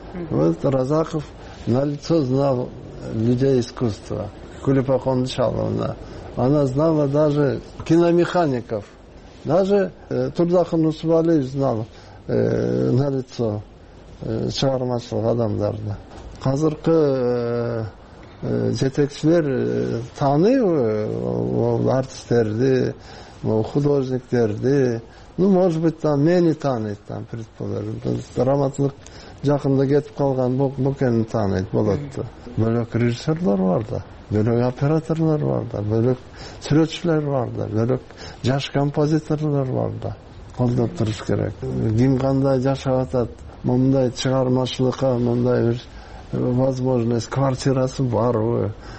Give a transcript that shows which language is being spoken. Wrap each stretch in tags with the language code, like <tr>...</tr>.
<ru>Вот Разаков на лицо знал людей искусства. Кулепаконду Шаловна, она знала даже киномехаников. Даже Турдахан Усубалиев знал на лицо</ru> <ky>чыгармачылык адамдарды. Азыркы жетекчилер тааныйбы артисттерди, художниктерди?</ky> <ru>Ну, может быть, там</ru> <ky>мени тааныйт,</ky> <ru>там предположим.</ru> <ky>Драматург жакында кетип калган Бокенди тааныйт болот. Бөлөк режиссерлор бар да, бөлөк операторлор бар да, бөлөк сүрөтчүлөр бар да, бөлөк жаш композиторлор бар да. Колдоп туруш керек. Ким кандай жашап атат, мындай чыгармачылыкка, мындай бир</ky> <ru>возможность,</ru> <ky>квартирасы барбы?</ky>